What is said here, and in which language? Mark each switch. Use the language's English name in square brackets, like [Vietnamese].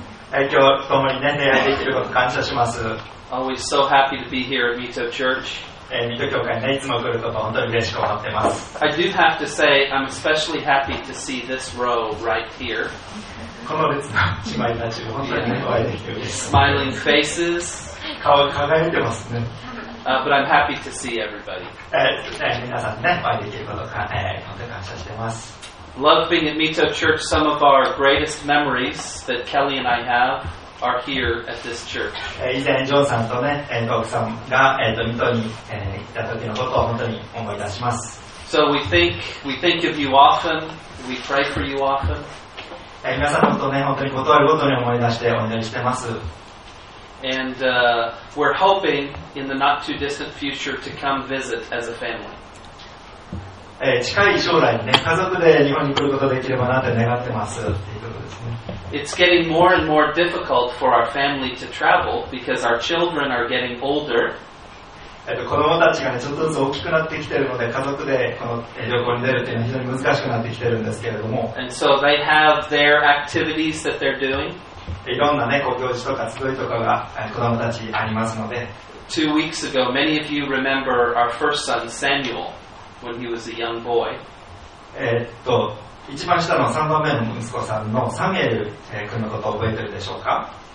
[Japanese] 今日はともに年齢ができることを感謝します。 [English] Always so happy to be here at Mito Church. [Japanese] 水戸教会に、ね、いつも来ることを本当に嬉しく思ってます。 [English] I do have to say I'm especially happy to see this row right here. [Japanese] この列の姉妹たちも本当に可愛いです。 [English] Smiling faces. [Japanese] 顔が輝いてますね。 [English] But I'm happy to see everybody. [Japanese] 皆さんね、お会いできることか、本当に感謝してます。 [English] Love being at Mito Church. Some of our greatest memories that Kelly and I have are here at this church. [Japanese] 以前ジョンさんとね、奥さんが水戸に行った時のことを本当に思い出します。 [English] So we think of you often. We pray for you often. [Japanese] 皆さんのことね、本当にことあるごとに思い出してお祈りしてます。 [English] And we're hoping in the not too distant future to come visit as a family. [Japanese] 近い将来ね、家族で日本に来ることができればなって願ってますっていうことですね。 [English] It's getting more and more difficult for our family to travel because our children are getting older. [Japanese] 子供たちがね、ちょっとずつ大きくなってきてるので、家族でこの旅行に出るっていうのは非常に難しくなってきてるんですけれども。 [English] And so they have their activities that they're doing. [Japanese] いろんなね、ご行事とか集いとかが子供たちありますので。 [English] 2 weeks ago, many of you remember our first son, Samuel, when he was a young boy. [Japanese] 一番下の3番目の息子さんのサミエル君のことを覚えてるでしょうか。